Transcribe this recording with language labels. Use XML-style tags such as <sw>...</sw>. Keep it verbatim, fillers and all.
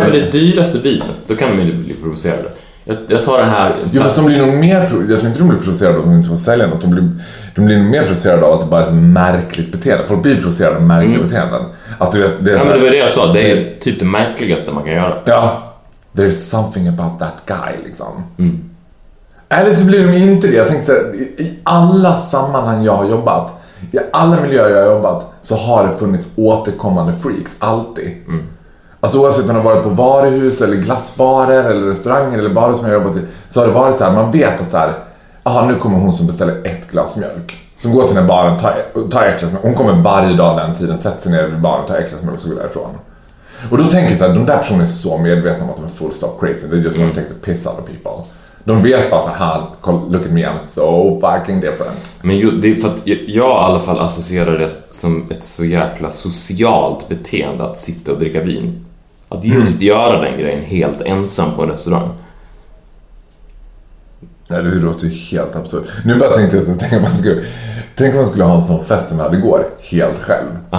<sv>köper det dyraste bilen, då kan man ju bli provocerad. Jag, jag tar den här... Jo, fast de blir nog mer... pro- Jag tror inte de blir provocerade om de inte får sälja något. De blir, de blir nog mer provocerade av att det bara är så märkligt beteende. Folk blir provocerade av märkliga beteenden. Att du vet... Det är Ja, så men det här, var det jag sa. Det är typ det märkligaste man kan göra.</sv> <en>ja, there's something about that guy,</en> <sv>liksom. Eller så blir de inte det. Jag tänkte så här, i i alla sammanhang jag har jobbat, i alla miljöer jag har jobbat, så har det funnits återkommande freaks, alltid. Alltså oavsett om det har varit på varuhus eller glassbarer eller restauranger eller barer som jag har jobbat i, så har det varit så här, man vet att så här, aha, nu kommer hon som beställer ett glas mjölk. som går till den här baren och tar, tar äklas. Hon kommer varje dag den tiden, sätter sig ner vid baren och tar äklas med och så går därifrån. Och då tänker jag så här, de där personerna är så medvetna om att de är</sv> <en>full stop crazy.</en> <sv>Det är just mm.</sv> <en>when they take the piss out of people.</en> <sv>De vet bara så här,</sv> <en>look at me, I'm so fucking different.</en> <sv>Men ju, det är för att jag, jag i alla fall associerar det som ett så jäkla socialt beteende att sitta och dricka vin. Att just mm. göra den grejen helt ensam på en restaurang. Nej, det låter ju helt absurd. Nu bara tänkte jag så, tänk om man skulle, tänk om man skulle ha en sån fest som jag hade igår, helt själv.</sv>